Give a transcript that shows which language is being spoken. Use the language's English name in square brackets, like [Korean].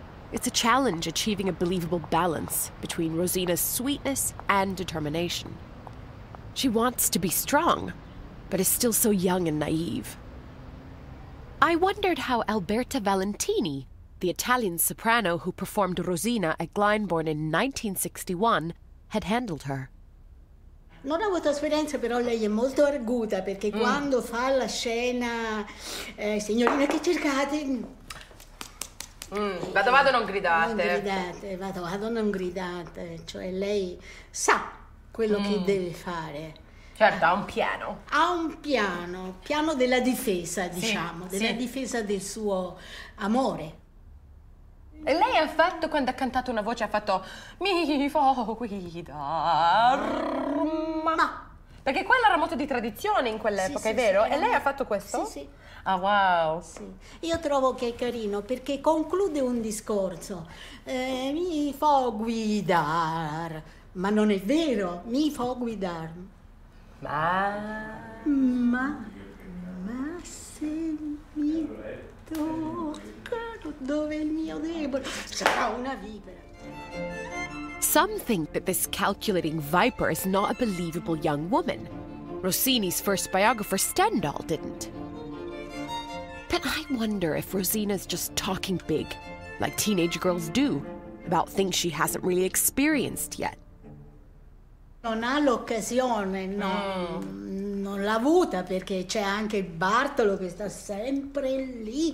[English] It's a challenge achieving a believable balance between Rosina's sweetness and determination. She wants to be strong, but is still so young and naive. I wondered how Alberta Valentini, the Italian soprano who performed Rosina at Glyndebourne in 1961, had handled her. [Italian] Non ha avuto esperienza, però lei è molto arguta, perché quando fa la scena, signorina che cercate... Vado, non gridate. Non gridate, vado, non gridate. Cioè, lei sa quello che deve fare. Certo, ha un piano. Ha un piano, piano della difesa, diciamo, della difesa del suo amore. E lei ha fatto, quando ha cantato una voce, ha fatto mi fo guida. Ma. Perché quella era molto di tradizione in quell'epoca, sì, è vero? Sì, e lei ha fatto questo? Sì, sì. [English] Ah, wow. [Italian] Sì. Io trovo che è carino perché conclude un discorso. Mi fo guida. Ma non è vero, mi fa guidare. Ma se mi tocca dove il mio debole, sarà una vipera. [English] Some think that this calculating viper is not a believable young woman. Rossini's first biographer, Stendhal, didn't. But I wonder if Rosina's just talking big, like teenage girls do, about things she hasn't really experienced yet. [Italian] Non ha l'occasione, no, non l'ha avuta, perché c'è anche Bartolo che sta sempre lì.